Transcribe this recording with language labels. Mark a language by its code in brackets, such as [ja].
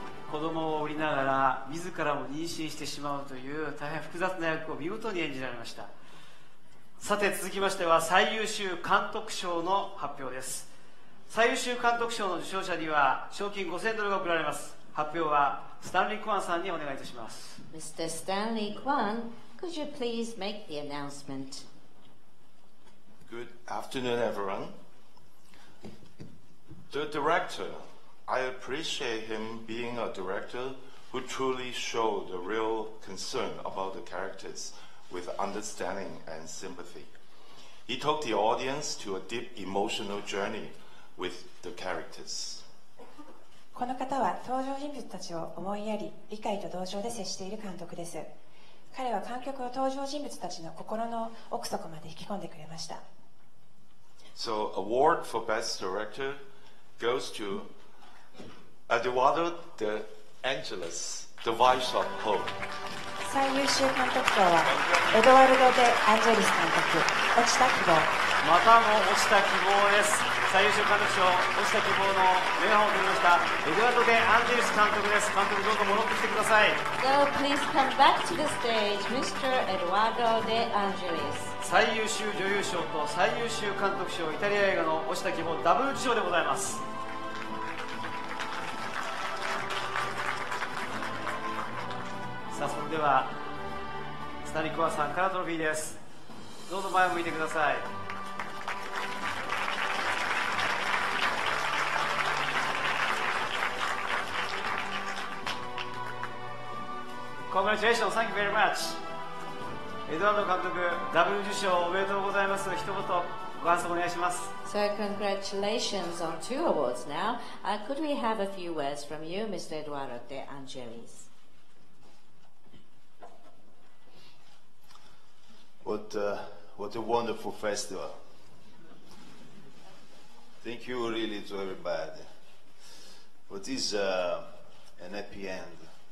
[ja] 子供を売りながら自らも妊娠してしまうという大変複雑な役を見事に演じられました。さて続きましては最優秀監督賞の発表です。最優秀監督賞の受賞者には賞金5000ドルが贈られます。発表はスタンリー・クワンさんにお願いいたします。 [en] Mr. Stanley Kwan, could you please make the announcement? Good afternoon, everyone. The directorI appreciate him being a director who truly showed a real concern about the characters with understanding and sympathy. He took the audience to a deep emotional journey with the characters. [ja] この方は登場人物たちを思いやり、理解と同情で接している監督です。彼は観客を登場人物たちの心の奥底まで引き込んでくれました。 [en] So, award for best director goes to... Eduardo De Angelis, The Vice of Hope. [ja] 最優秀監督賞はエドワルド・デ・アンジェリス監督、落ちた希望。またも落ちた希望です。最優秀監督賞、落ちた希望のメガホンを取りましたエドワルド・デ・アンジェリス監督です。監督どうぞ戻ってきてください。 [en] So please come back to the stage, Mr. Eduardo De Angelis. [ja] 最優秀女優賞と最優秀監督賞、イタリア映画の落ちた希望ダブル受賞でございます。さあ、それではスタニコワさんからトロフィーです。どうぞ前を向いてください。 [en] Congratulations, thank you very much. [ja] エドワルド監督、ダブル受賞おめでとうございます。一言ご感想お願いします。 [en] So congratulations on two awards now. Could we have a few words from you, Mr. Eduardo De Angelis? What a wonderful festival. Thank you really to everybody. What is an happy end?